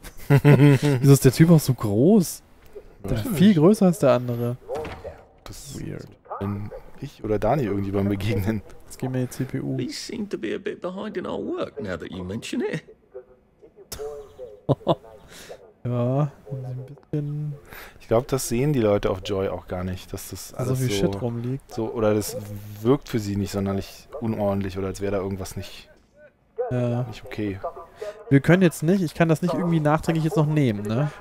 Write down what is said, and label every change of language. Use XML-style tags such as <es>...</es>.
<de>Wieso ist der Typ auch so groß? Der viel größer als der andere. Das ist weird. Wenn ich oder Dani irgendwie beim Begegnen. Jetzt geben wir die CPU.</de> <en>They seem to be a bit behind in our work, now that you mention it.</en> <de>Ja, ein bisschen. Ich glaube, das sehen die Leute auf Joy auch gar nicht, dass das alles so viel Shit rumliegt. So, oder das wirkt für sie nicht sonderlich unordentlich oder als wäre da irgendwas nicht. Ja. Nicht okay. Wir können jetzt nicht, ich kann das nicht irgendwie nachträglich jetzt noch nehmen, ne?</de>